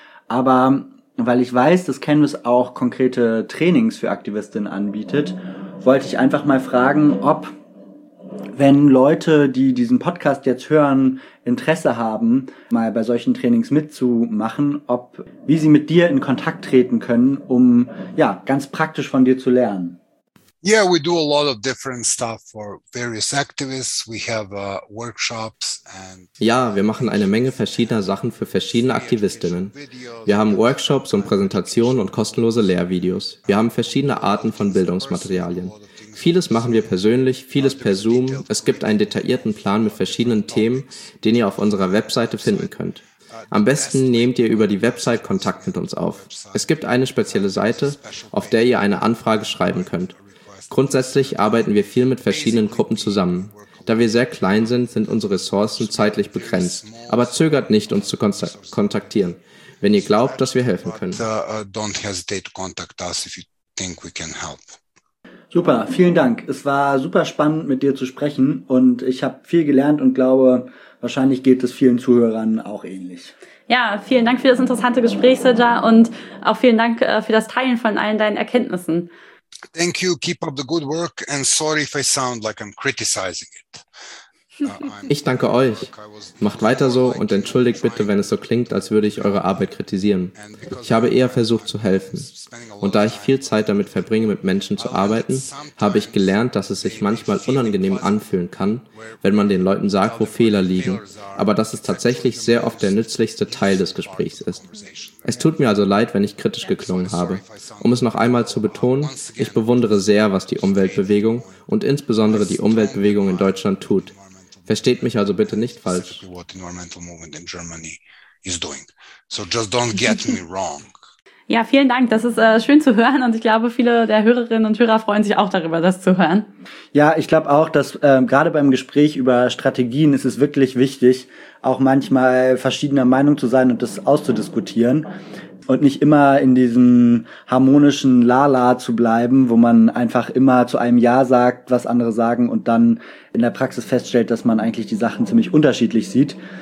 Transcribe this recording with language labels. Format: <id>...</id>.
<de>Aber weil ich weiß, dass Canvas auch konkrete Trainings für Aktivistinnen anbietet, wollte ich einfach mal fragen, ob, wenn Leute, die diesen Podcast jetzt hören, Interesse haben, mal bei solchen Trainings mitzumachen, ob, wie sie mit dir in Kontakt treten können, um ja ganz praktisch von dir zu lernen.</de> <en>Yeah, we do a lot of different stuff for various activists. We have workshops and.</en> <de>Ja, wir machen eine Menge verschiedener Sachen für verschiedene Aktivistinnen. Wir haben Workshops und Präsentationen und kostenlose Lehrvideos. Wir haben verschiedene Arten von Bildungsmaterialien. Vieles machen wir persönlich, vieles per Zoom. Es gibt einen detaillierten Plan mit verschiedenen Themen, den ihr auf unserer Webseite finden könnt. Am besten nehmt ihr über die Website Kontakt mit uns auf. Es gibt eine spezielle Seite, auf der ihr eine Anfrage schreiben könnt. Grundsätzlich arbeiten wir viel mit verschiedenen Gruppen zusammen. Da wir sehr klein sind, sind unsere Ressourcen zeitlich begrenzt. Aber zögert nicht, uns zu kontaktieren, wenn ihr glaubt, dass wir helfen können.</de> <en>Don't hesitate to contact us if you think we can help.</en> <de>Super, vielen Dank. Es war super spannend, mit dir zu sprechen und ich habe viel gelernt und glaube, wahrscheinlich geht es vielen Zuhörern auch ähnlich. Ja, vielen Dank für das interessante Gespräch, Sija, und auch vielen Dank für das Teilen von allen deinen Erkenntnissen.</de> <en>Thank you, keep up the good work and sorry if I sound like I'm criticizing it.</en> <de>Ich danke euch. Macht weiter so und entschuldigt bitte, wenn es so klingt, als würde ich eure Arbeit kritisieren. Ich habe eher versucht zu helfen. Und da ich viel Zeit damit verbringe, mit Menschen zu arbeiten, habe ich gelernt, dass es sich manchmal unangenehm anfühlen kann, wenn man den Leuten sagt, wo Fehler liegen, aber dass es tatsächlich sehr oft der nützlichste Teil des Gesprächs ist. Es tut mir also leid, wenn ich kritisch geklungen habe. Um es noch einmal zu betonen, ich bewundere sehr, was die Umweltbewegung und insbesondere die Umweltbewegung in Deutschland tut. Versteht mich also bitte nicht falsch.</de> <en>What the environmental movement in Germany is doing. So just don't get me wrong.</en> <de>Ja, vielen Dank. Das ist schön zu hören und ich glaube, viele der Hörerinnen und Hörer freuen sich auch darüber, das zu hören. Ja, ich glaube auch, dass gerade beim Gespräch über Strategien ist es wirklich wichtig, auch manchmal verschiedener Meinung zu sein und das auszudiskutieren und nicht immer in diesem harmonischen Lala zu bleiben, wo man einfach immer zu einem Ja sagt, was andere sagen und dann in der Praxis feststellt, dass man eigentlich die Sachen ziemlich unterschiedlich sieht.</de>